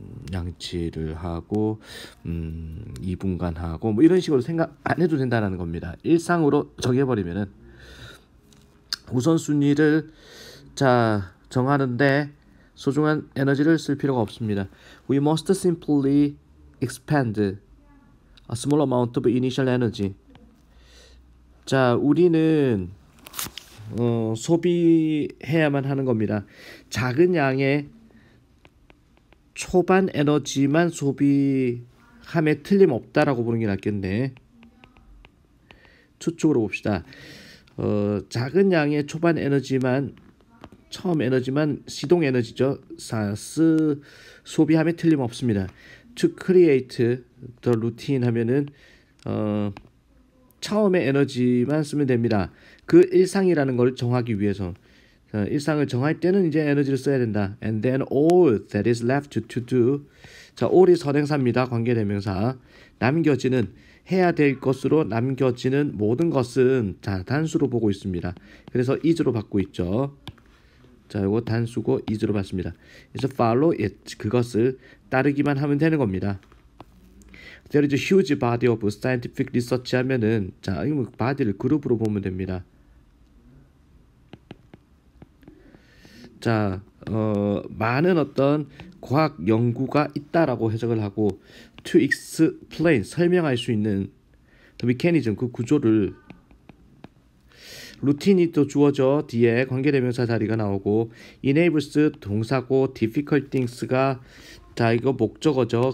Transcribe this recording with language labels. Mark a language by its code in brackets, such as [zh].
[ko] 양치를 하고 2분간 하고 뭐 이런 식으로 생각 안 해도 된다는 겁니다. 일상으로 정해버리면은 우선순위를 자 정하는데 소중한 에너지를 쓸 필요가 없습니다. [en] We must simply expend a small amount of initial energy. [ko] 자, 우리는 소비해야만 하는 겁니다. 작은 양의 초반 에너지만 소비함에 틀림없다라고 보는 게 낫겠네. 추측으로 봅시다. 작은 양의 초반 에너지만 처음 에너지만 시동 에너지죠. 사스 소비함에 틀림없습니다. [en] To create the routine [ko] 하면은 처음에 에너지만 쓰면 됩니다. 그 일상이라는 걸 정하기 위해서 일상을 정할 때는 이제 에너지를 써야 된다. [en] And then all that is left to do. [ko] 자, all이 선행사입니다. 관계대명사. 남겨지는 해야 될 것으로 남겨지는 모든 것은 자, 단수로 보고 있습니다. 그래서 is로 받고 있죠. 자, 요거 단수고 is로 받습니다. 그래서 [en] follow it [ko] 그것을 따르기만 하면 되는 겁니다. [en] There is a huge body of scientific research [ko] 하면은 자, 이 바디를 그룹으로 보면 됩니다. 자, 많은 어떤 과학 연구가 있다라고 해석을 하고 [en] to explain [ko] 설명할 수 있는 [en] the mechanism [ko] 그 구조를 루틴이 또 주어져 뒤에 관계대명사 자리가 나오고 enables 동사고 [en] difficult things [ko] 가 자, 이거 목적어죠.